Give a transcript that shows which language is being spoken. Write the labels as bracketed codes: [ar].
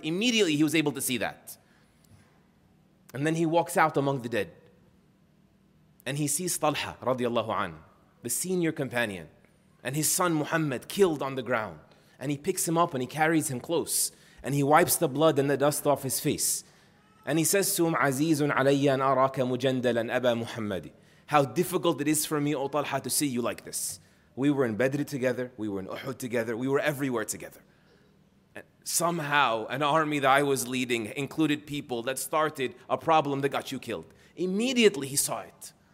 [en] Immediately he was able to see that. And then he walks out among the dead. And he sees Talha radiallahu anh, the senior companion, and his son Muhammad killed on the ground. And he picks him up and he carries him close. And he wipes the blood and the dust off his face. And he says to him, [ar] عَزِيزٌ عَلَيَّ أَنْ أَرَاكَ مُجَنْدَلًا أَبَا مُحَمَّدِ. [en] How difficult it is for me, O Talha, to see you like this. We were in Badr together, we were in Uhud together, we were everywhere together. And somehow, an army that I was leading included people that started a problem that got you killed. Immediately he saw it.